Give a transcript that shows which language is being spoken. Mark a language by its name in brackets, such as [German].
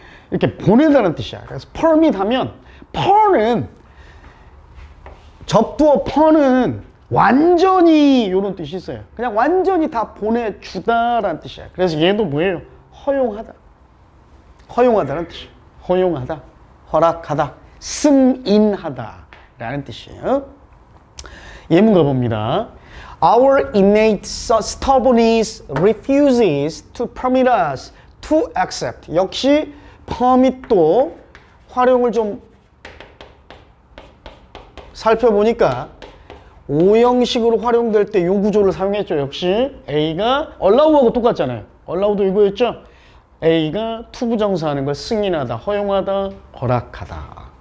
[Korean] 이렇게 보내다는 뜻이야. 그래서 permit 하면, per는 접두어 per는 완전히 이런 뜻이 있어요. 그냥 완전히 다 보내주다라는 뜻이야. 그래서 얘도 뭐예요? 허용하다. 허용하다라는 뜻이야. 허용하다, 허락하다, 승인하다라는 뜻이에요. 예문 가봅니다. [English] Our innate stubbornness refuses to permit us to accept. [Korean] 역시 permit도 활용을 좀 살펴보니까 5형식으로 활용될 때 요 구조를 사용했죠. 역시 A가 allow하고 똑같잖아요. allow도 이거였죠. A가 to 부정사하는 걸 승인하다, 허용하다, 허락하다.